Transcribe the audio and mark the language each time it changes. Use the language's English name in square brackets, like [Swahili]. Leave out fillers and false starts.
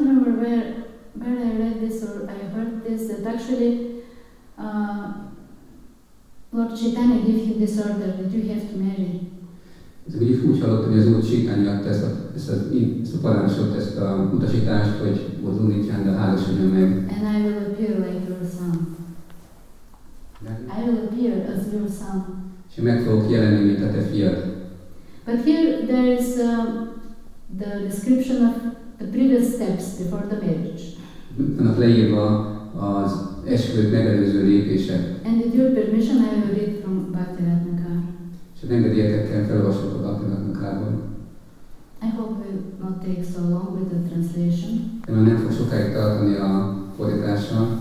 [English] I heard this, that actually Lord Chaitanya gave him this order that you have to marry. [Hungarian] Ez úgy furcsa volt, hogy az Úr Chaitanya adta ezt a parancsot, ezt a utasítást, hogy Bodhuni Chanda házasodja meg. [English] And I will appear like your son. I will appear as your son. [Hungarian] És meg fogok jelenni, mint a te fiad. [English] But here there is the description of the previous steps before the marriage. [Hungarian] Vannak leírva az esküvőt megelőző lépések. [English] And with your permission, I will read from Bhaktivedanta. [Hungarian] És az engedélyeket felolvasok a Bhaktivedantából. [English] I hope it will not take so long with the translation. [Hungarian] De már nem fog sokáig tartani a fordítása.